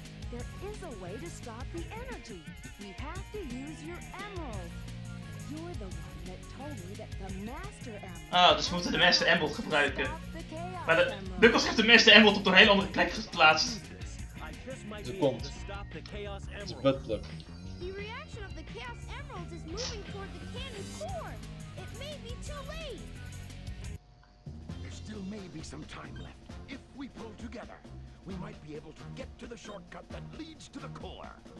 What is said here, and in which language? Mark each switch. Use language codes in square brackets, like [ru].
[en] There is a way to stop the energy. We have to use your emerald. You're the one that told me that the master emerald. [nl] Ah, dus we moeten de master emerald gebruiken. Maar de Knuckles heeft de master emerald op een heel andere plek geplaatst. Ze komt. Het is butler. [en] The reaction of the chaos emerald is moving toward the cannon core. It may be too late. Still may be some time left. If we pull together, we might be able to get to the shortcut that leads to the core.